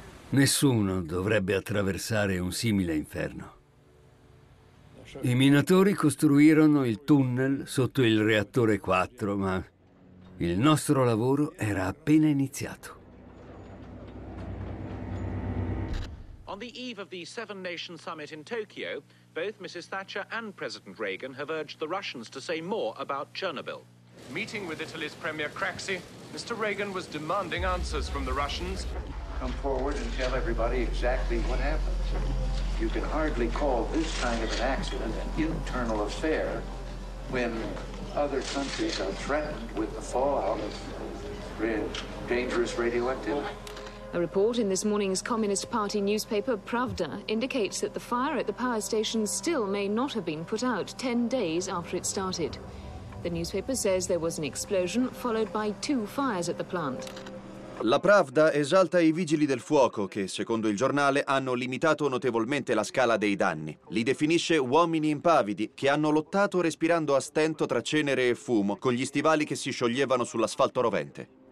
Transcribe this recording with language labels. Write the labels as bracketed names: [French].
[Italian] Nessuno dovrebbe attraversare un simile inferno. I minatori costruirono il tunnel sotto il reattore 4, ma il nostro lavoro era appena iniziato. [English] On the eve of the Seven Nations Summit in Tokyo, both Mrs. Thatcher and President Reagan have urged the Russians to say more about Chernobyl. Meeting with Italy's Premier Craxi, Mr. Reagan was demanding answers from the Russians. Come forward and tell everybody exactly what happened. You can hardly call this kind of an accident an internal affair when other countries are threatened with the fallout of dangerous radioactivity. A report in this morning's Communist Party newspaper, Pravda, indicates that the fire at the power station still may not have been put out 10 days after it started. The newspaper says there was an explosion followed by 2 fires at the plant. [Italian] La Pravda esalta i vigili del fuoco che, secondo il giornale, hanno limitato notevolmente la scala dei danni. Li definisce uomini impavidi che hanno lottato respirando a stento tra cenere e fumo, con gli stivali che si scioglievano sull'asfalto rovente.